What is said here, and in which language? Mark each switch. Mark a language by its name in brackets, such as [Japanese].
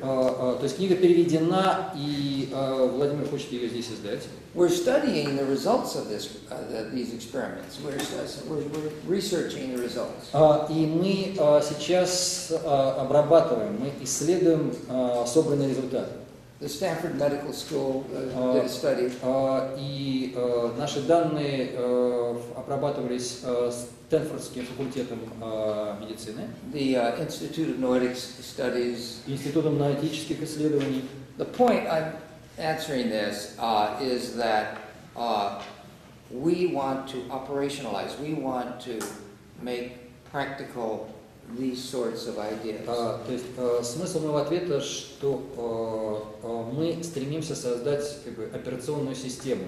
[Russian] То есть книга переведена и Владимир хочет ее здесь издать. [English] We're studying the results of this, these experiments. We're researching the results. [Russian] И мы сейчас обрабатываем, мы исследуем собранные результаты. [English] The Stanford Medical School did a study. [Russian] И наши данные обрабатывались Стэнфордским факультетом медицины. [English] The Institute of Noetic Studies. [Russian] Институтом ноэтических исследований. [English] The point I'm answering this is that we want to operationalize. We want to make practical these sorts of ideas. [Russian] То есть смысл моего ответа, что мы стремимся создать как бы операционную систему.